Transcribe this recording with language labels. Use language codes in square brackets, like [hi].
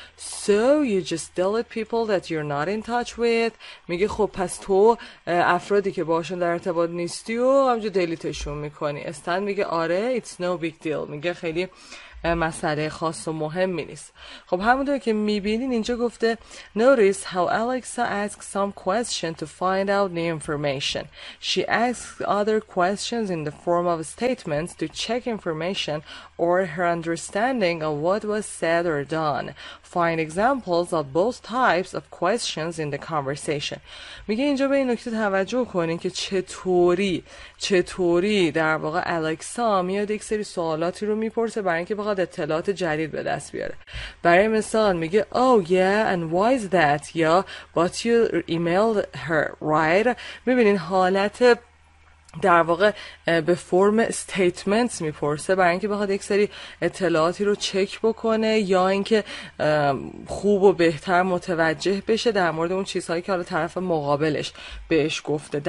[en] So you just delete people that you're not in touch with. [fa] میگه خب پس تو افرادی که باشون در ارتباط نیستی و همجور دلیتشون میکنی. استن میگه آره [en] it's no big deal، [fa] میگه خیلی مسئله خاص و مهم می نیست. خب همونطور که میبینین اینجا گفته [en] Notice how Alexa asks some questions to find out new information. She asks other questions in the form of statements to check information or her understanding of what was said or done. Find examples of both types of questions in the conversation. [fa] میگه اینجا به این نکته توجه کنین که چطوری در واقع الکسا میاد یک سری سوالاتی رو میپرسه برای اینکه بخواد اطلاعات جدید به دست بیاره. برای مثال میگه [en] Oh yeah and why is that؟ [fa] یا [en] But you emailed her, right؟ [fa] میبینین حالت در واقع به فرم statements میپرسه برای اینکه بخواد یک سری اطلاعاتی رو چک بکنه یا اینکه خوب و بهتر متوجه بشه در مورد اون چیزهایی که حالا طرف مقابلش بهش گفته.